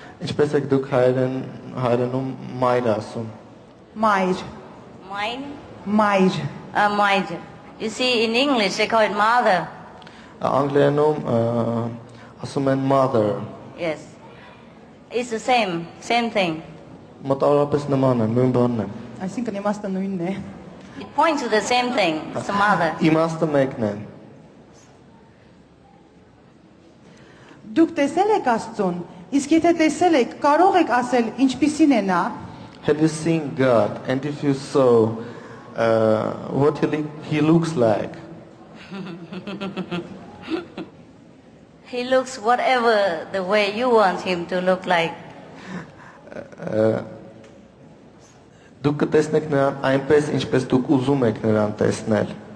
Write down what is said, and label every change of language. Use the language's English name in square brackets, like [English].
[Armenian] Ինչպես եք դուք հայերենում մայր ասում? Մայր. Մայր. Մայր. Մայր. [English] You see, in English they call it mother. [Armenian] Անգլերենում ասում են mother. [English] Yes. It's the same, same thing. [Armenian] Մտավորապես նման է, նույն բանն է. Այսինքն իմաստը նույնն է. [English] It points to the same thing, it's the mother. [Armenian] Իմաստը մեկն է. Դուք տեսել եք Աստծուն, իսկ եթե տեսել եք, կարող եք ասել ինչպիսին է նա? [English] Have you seen God? And if you saw what he looks like? He looks whatever the way you want him to look like. [Armenian] Դուք կտեսնեք նրան այնպես, ինչպես դուք ուզում եք նրան տեսնել.